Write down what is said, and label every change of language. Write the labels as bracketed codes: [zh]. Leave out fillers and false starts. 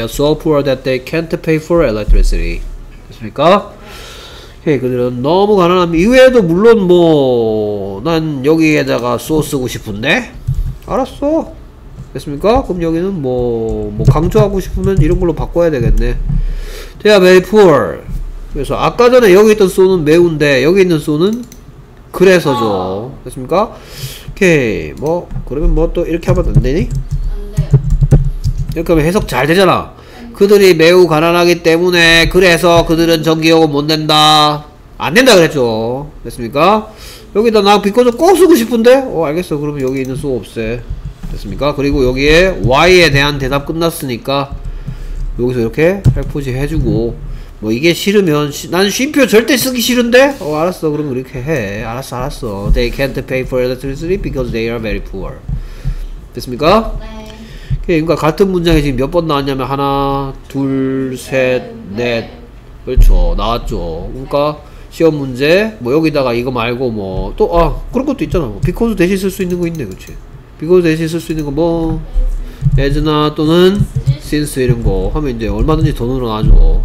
[en] are so poor that they can't pay for electricity. [ko] 됐습니까? 오케이. 그들은 너무 가난함. 이외에도 물론 뭐 난 여기에다가 소 쓰고 싶은데? 알았어. 됐습니까? 그럼 여기는 뭐 강조하고 싶으면 이런 걸로 바꿔야 되겠네. [en] They are very poor. [ko] 그래서 아까 전에 여기 있던 소는 매운데 여기 있는 소는 그래서죠. 됐습니까? 오케이. 뭐 그러면 뭐 또 이렇게 하면 안 되니? 그러면 해석 잘 되잖아. 그들이 매우 가난하기 때문에 그래서 그들은 전기요금 못 낸다. 안 낸다 그랬죠. 됐습니까? 여기다 나 비꼬서 꼭 쓰고 싶은데? 알겠어. 그러면 여기 있는 수 없애. 됐습니까? 그리고 여기에 Y에 대한 대답 끝났으니까 여기서 이렇게 할포지 해주고 뭐 이게 싫으면 난 쉼표 절대 쓰기 싫은데? 알았어. 그럼 이렇게 해. 알았어 알았어. [en] They can't pay for electricity because they are very poor. [ko] 됐습니까? 예, 그러니까 같은 문장이 지금 몇 번 나왔냐면 하나, 둘, 셋, 넷. 그렇죠. 나왔죠. 그러니까 시험 문제 뭐 여기다가 이거 말고 뭐 또 아, 그런 것도 있잖아. because 대신 쓸 수 있는 거 있네. 그렇지. because 대신 쓸 수 있는 거 뭐 as나 또는 since 이런 거 하면 이제 얼마든지 더 늘어나죠.